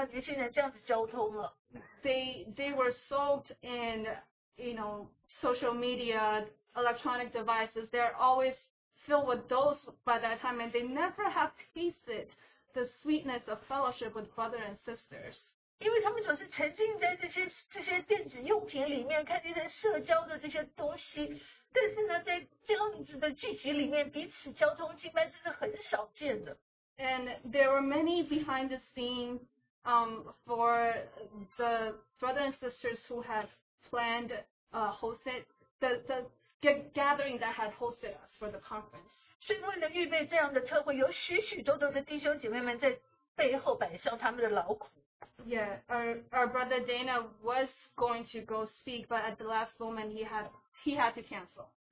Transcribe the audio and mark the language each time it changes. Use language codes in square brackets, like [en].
[zh] 就是敬拜的时候,交通的时候,我看到了许多的年轻人,他们是何等的渴慕,我很久没有看到年轻人这样子交通了。 [en] They were soaked in, you know, social media, electronic devices. They're always filled with those by that time, and they never have tasted the sweetness of fellowship with brothers and sisters. [zh] 因为他们总是沉浸在这些电子用品里面,看见在社交的这些东西。但是呢,在这样子的聚集里面,彼此交通竞拍这是很少见的。 [en] And there were many behind the scenes for the brothers and sisters who had planned hosted, the gathering that had hosted us for the conference. [zh] 是为了预备这样的特会,有许许多多的弟兄姐妹们在背后摆上他们的劳苦。 [en] Yeah, our brother Dana was going to go speak, but at the last moment he had to cancel.